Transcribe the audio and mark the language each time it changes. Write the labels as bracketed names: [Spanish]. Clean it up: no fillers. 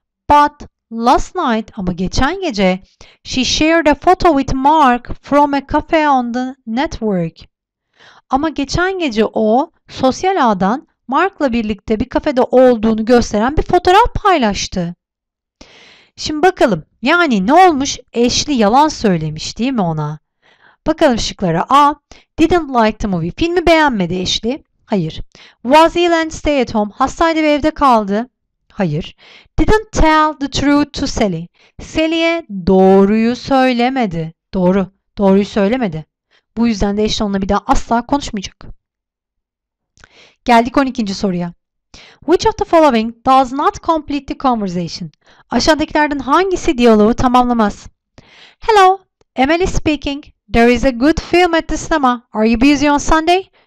[English] But last night [Turkish] ama geçen gece [English] she shared a photo with Mark from a cafe on the network. [Turkish] Ama geçen gece o sosyal ağdan Mark'la birlikte bir kafede olduğunu gösteren bir fotoğraf paylaştı. Şimdi bakalım yani ne olmuş? Eşli yalan söylemiş değil mi ona? Bakalım şıklara. A. [English] Didn't like the movie. [Turkish] Filmi beğenmedi eşli. Hayır. [English] Was ill and stay at home. [Turkish] Hastaydı ve evde kaldı. Hayır. [English] Didn't tell the truth to Sally. [Turkish] Sally'e doğruyu söylemedi. Doğru. Doğruyu söylemedi. Bu yüzden de eşli onunla bir daha asla konuşmayacak. Geldik 12. soruya. [English] Which of the following does not complete the conversation? [Turkish] Aşağıdakilerden hangisi diyaloğu tamamlamaz? [English] Hello, Emily speaking. There is a good film at the cinema. Are you busy on Sunday?